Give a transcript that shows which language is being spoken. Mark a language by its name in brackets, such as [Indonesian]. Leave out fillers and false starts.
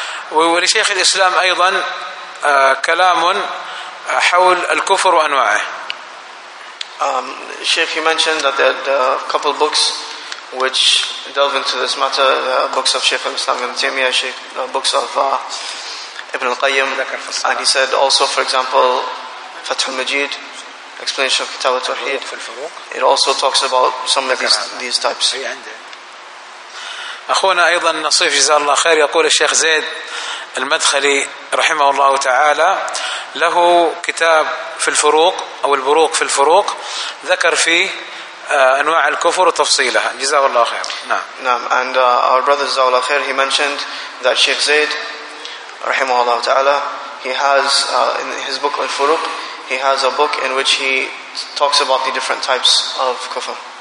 [Arabic] ولشيخ الإسلام أيضا كلام حول الكفر وأنواعه. [English] Sheikh, you mentioned that there are a couple books which delve into this matter, the books of Sheikh al-Islam ibn Taymiyyah, Sheikh, the books of Ibn al-Qayyim, and he said also, for example, Fathul Majid, explanation of Kitab al-Tawheed, it also talks about some of these types. [Arabic] أخونا أيضا نصيف جزاه الله خير يقول الشيخ زيد المدخلي رحمه الله تعالى له كتاب في الفروق أو البروق في الفروق، ذكر فيه أنواع الكفر وتفصيلها. جزاه الله خير. نعم. [English] And our brother [Arabic] جزاه الله خير, [English] he mentioned that Sheikh Zayd [Arabic] رحمه الله تعالى, [English] he has in his book الفروق, he has a book in which he talks about the different types of kufr.